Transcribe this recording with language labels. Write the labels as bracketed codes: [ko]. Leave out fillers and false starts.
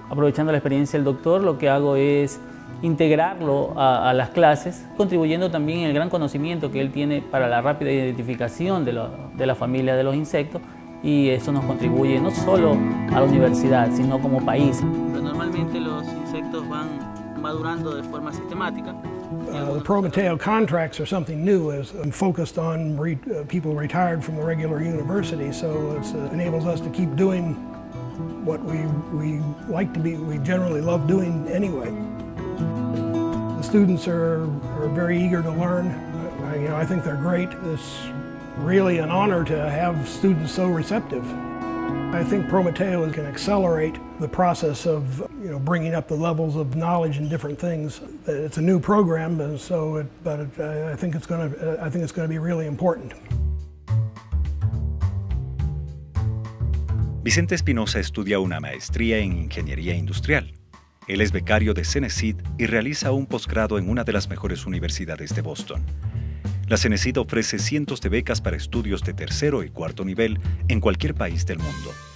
[es] Aprovechando la experiencia del doctor, lo que hago es integrarlo a las clases, contribuyendo también el gran conocimiento que él tiene para la rápida identificación de la familia de los insectos, y eso nos contribuye no solo a la universidad, sino como país. Pero normalmente los insectos van madurando de forma sistemática. [en] The Prometeo contracts are something new. It's focused on people retired from the regular university, so it enables us to keep doing what we like to be, we generally love doing anyway. The students are very eager to learn. I think they're great. It's really an honor to have students so receptive. I think Prometeo can accelerate the process of, you know, bringing up the levels of knowledge in different things. It's a new program, I think it's going to be really important. [es] Vicente Espinosa estudia una maestría en ingeniería industrial. Él es becario de CENESID y realiza un posgrado en una de las mejores universidades de Boston. La CENESID ofrece cientos de becas para estudios de tercero y cuarto nivel en cualquier país del mundo.